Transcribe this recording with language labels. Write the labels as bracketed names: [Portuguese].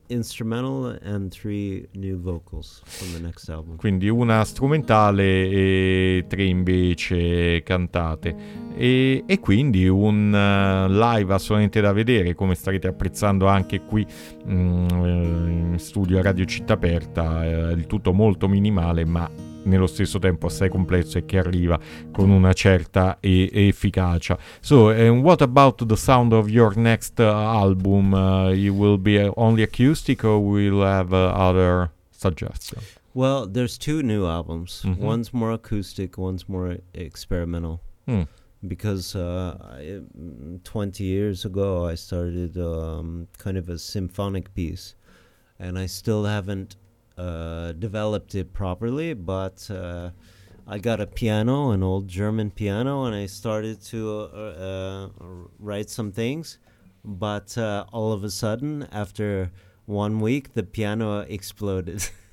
[English] Instrumental and three new vocals from the next album. [Italian] Quindi una strumentale e tre invece cantate. E quindi un live assolutamente da vedere, come starete apprezzando anche qui in studio a Radio Città Aperta. Il tutto molto minimale, ma nello stesso tempo assai complesso, e che arriva con una certa efficacia. [English] So, and what about the sound of your next album? It will be only acoustic, or will have other suggestions? Well, there's two new albums. Mm-hmm. One's more acoustic, one's more experimental. Mm. Because 20 years ago, I started kind of a symphonic piece, and I still haven't developed it properly, but I got a piano, an old German piano, and I started to write some things, but all of a sudden, after 1 week, the piano exploded.